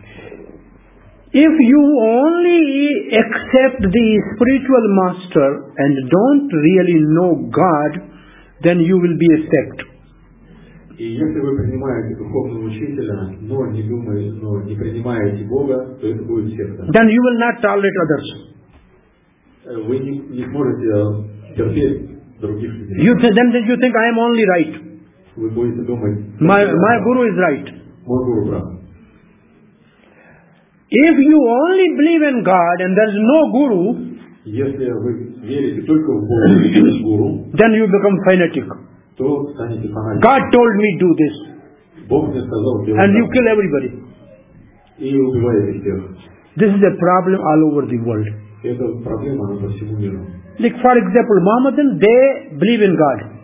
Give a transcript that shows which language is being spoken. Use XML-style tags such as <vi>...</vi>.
<en>If you only accept the spiritual master and don't really know God, then you will be a sect.</en> <ru>И если вы принимаете духовного учителя, но не думаете, но не принимаете Бога, то это будет секта.</ru> <en>Then you will not tolerate others.</en> <ru>Вы не можете терпеть других людей.</ru> <en>You then did you think I am only right?</en> <ru>Вы будете думать.</ru> <en>My guru is right.</en> <ru>Мой гуру прав.</ru> <en>If you only believe in God and there is no guru,</en> <ru>если вы верите только в Бога, без гуру,</ru> <en>then you become fanatic. God told me do this. And you kill everybody. This is a problem all over the world. Like for example, Mohammedans, they believe in God.</en>